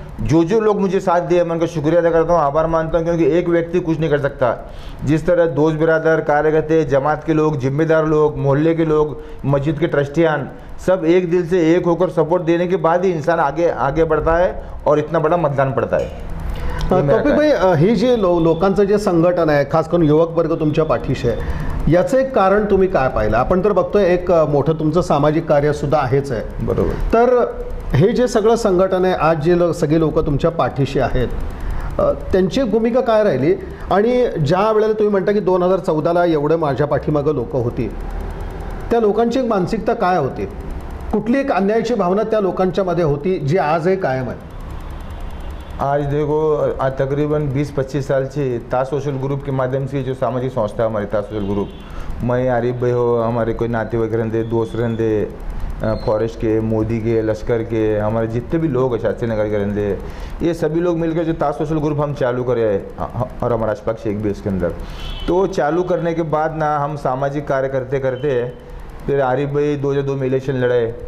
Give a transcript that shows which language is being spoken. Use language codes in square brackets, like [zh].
[hi] जो जो लोग मुझे साथ दिए मैं उनका शुक्रिया अदा करता हूँ, आभार मानता हूँ, क्योंकि एक व्यक्ति कुछ नहीं कर सकता। जिस तरह दोस्त बिरादर कार्यकर्ते जमात के लोग, जिम्मेदार लोग, मोहल्ले के लोग, मस्जिद के ट्रस्टियान सब एक दिल से एक होकर सपोर्ट देने के बाद ही इंसान आगे बढ़ता है और इतना बड़ा मतदान पड़ता है। [mr] तौफिक भाई, ही जी लोकांचं जे संघटन आहे, खास करून युवक वर्ग तुमच्या पाठीशी आहे, याचं एक कारण तुम्ही काय पाहिलं? आपण तर बघतोय एक मोठं तुमचं सामाजिक कार्यसुद्धा आहेच आहे, बरोबर? तर हे जे सगळं संघटन आहे, आज जे सगळे लोक तुमच्या पाठीशी आहेत, त्यांची भूमिका काय राहिली? आणि ज्या वेळेला तुम्ही म्हणता की 2014 एवढं माझ्या पाठीमागं लोक होती, त्या लोकांची एक मानसिकता काय होती, कुठली एक अन्यायाची भावना त्या लोकांच्या मध्ये होती जी आजही कायम आहे? [hi] आज देखो, आज तकरीबन 20-25 साल से ता सोशल ग्रुप के माध्यम से जो सामाजिक संस्था है हमारी ता सोशल ग्रुप, मैं आरिफ भाई हो, हमारे कोई नाते वगैरह दे, दोस्त रहेंदे फॉरेस्ट के, मोदी के, लश्कर के, हमारे जितने भी लोग हैं शास्त्री नगर के रहेंदे, ये सभी लोग मिलकर जो ता सोशल ग्रुप हम चालू करे और हमारा राजपक्ष एक भी इसके अंदर, तो चालू करने के बाद ना हम सामाजिक कार्य करते करते फिर आरिफ भाई 2002 में इलेक्शन लड़े,